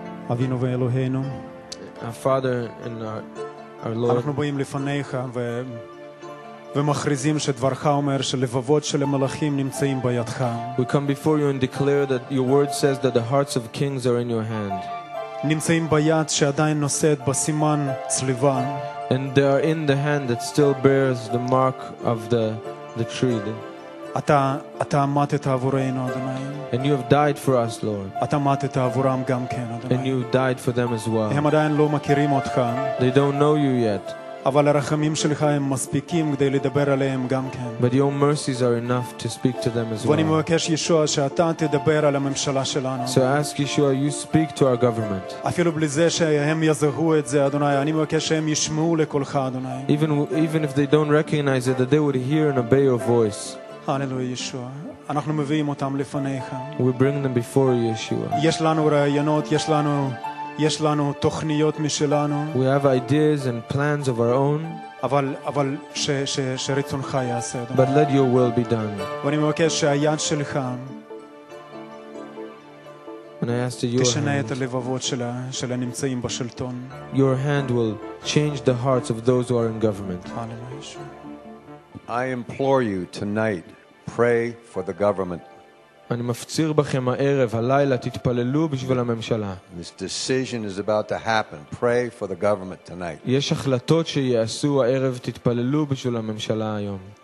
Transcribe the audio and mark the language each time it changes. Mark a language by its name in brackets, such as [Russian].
[Hebrew] אבינו ואלוהינו, [English] our Father and our Lord, [Hebrew] אנחנו באים לפניך ו ומכריזים שדברך אומר שלבבות של המלאכים נמצאים בידך. [English] We come before you and declare that your word says that the hearts of kings are in your hand. [Hebrew] נמצאים ביד שעדיין נושאת בסימן צליבה. [English] And they are in the hand that still bears the mark of the tree. [Hebrew] אתה מתת עבורנו, אדוני. [English] And you have died for us, Lord. [Hebrew] אתה מתת עבורם גם כן, אדוני. [English] And you died for them as well. [Hebrew] הם עדיין לא מכירים אותך. [English] They don't know you yet. [Hebrew] אבל הרחמים שלך הם מספיקים כדי לדבר עליהם גם כן. [English] But your mercies are enough to speak to them as well. [Hebrew] ואני מבקש ישוע שאתה תדבר על הממשלה שלנו. [English] So ask Yeshua, you speak to our government. [Hebrew] אפילו בלי זה שהם יזהו את זה, אדוני, אני מבקש שהם ישמעו לקולך, אדוני. [English] Even if they don't recognize it, that they would hear and obey your voice. [Hebrew] הללויה ישועה, אנחנו מביאים אותם לפניך. [English] We bring them before you, Yeshua. [Hebrew] יש לנו רעיונות, יש לנו תוכניות משלנו. [English] We have ideas and plans of our own. [Hebrew] אבל שרצונך יעשה, אדוני. [English] But let your will be done. [Hebrew] ואני מבקש שהיד שלך תשנה את הלבבות של הנמצאים בשלטון. [English] Your hand will change the hearts of those who are in government. [Hebrew] הללויה ישועה. [English] I implore you tonight, pray for the government. [Hebrew] אני מפציר בכם הערב, הלילה, תתפללו בשביל הממשלה. [English] This decision is about to happen. Pray for the government tonight. [Hebrew] יש החלטות שיעשו הערב, תתפללו בשביל הממשלה היום.